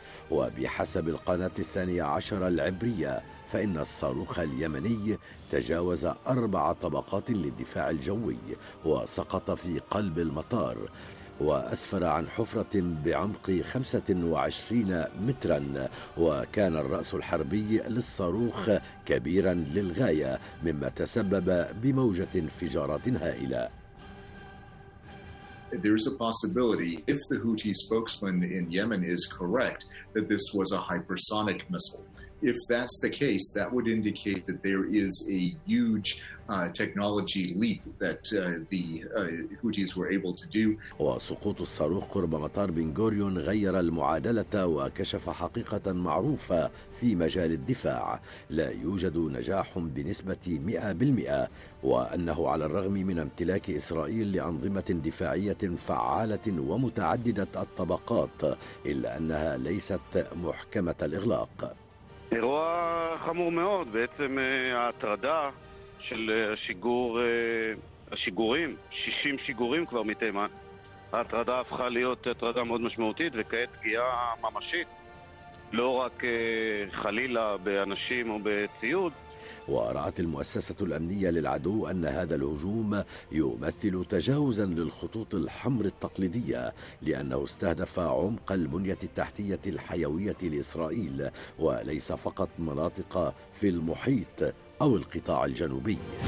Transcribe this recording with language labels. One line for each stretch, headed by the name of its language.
Arabic: وبحسب القناة 12 العبرية، فإن الصاروخ اليمني تجاوز 4 طبقات للدفاع الجوي وسقط في قلب المطار، وأسفر عن حفرة بعمق 25 مترا، وكان الرأس الحربي للصاروخ كبيرا للغاية، مما تسبب بموجة انفجارات هائلة.
English: There is a possibility, if the Houthi spokesman in Yemen is correct, that this was a hypersonic missile. If that's the case, that would indicate that there is a huge technology leap that the Houthis were able to do.
Arabic: وسقوط الصاروخ قرب مطار بن غوريون غير المعادلة وكشف حقيقة معروفة في مجال الدفاع: لا يوجد نجاح بنسبة 100%، وأنه على الرغم من امتلاك إسرائيل لأنظمة دفاعية فعالة ومتعددة الطبقات، إلا أنها ليست محكمة الإغلاق.
Hebrew: אירוע חמור מאוד, בעצם ההטרדה של השיגורים, 60 שיגורים כבר מתימן, ההטרדה הפכה להיות הטרדה מאוד משמעותית, וכעת פגיעה ממשית, לא רק חלילה באנשים או בציוד.
Arabic: ورأت المؤسسة الأمنية للعدو أن هذا الهجوم يمثل تجاوزا للخطوط الحمر التقليدية، لأنه استهدف عمق البنية التحتية الحيوية لإسرائيل، وليس فقط مناطق في المحيط أو القطاع الجنوبي.